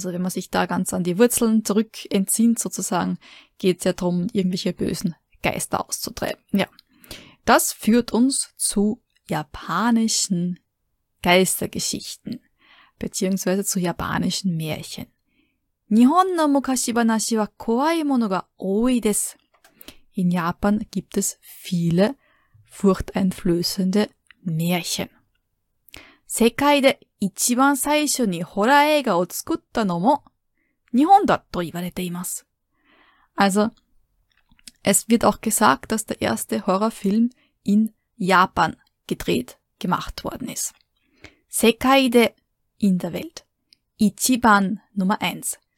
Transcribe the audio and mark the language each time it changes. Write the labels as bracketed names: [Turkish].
[German] Also wenn man sich da ganz an die Wurzeln zurück entzieht sozusagen, geht es ja darum, irgendwelche bösen Geister auszutreiben. Ja, das führt uns zu japanischen Geistergeschichten, beziehungsweise zu japanischen Märchen. [Japanese] 日本の昔話は怖いものが多いです。 [German] In Japan gibt es viele furchteinflößende Märchen. [Japanese] 世界で一番最初にホラー映画を作ったのも日本だと言われています。 [German] Also, es wird auch gesagt, dass der erste Horrorfilm in Japan gemacht worden ist. [Japanese] 世界で [German] in der Welt. [Japanese] 一番 [German] Nummer 1.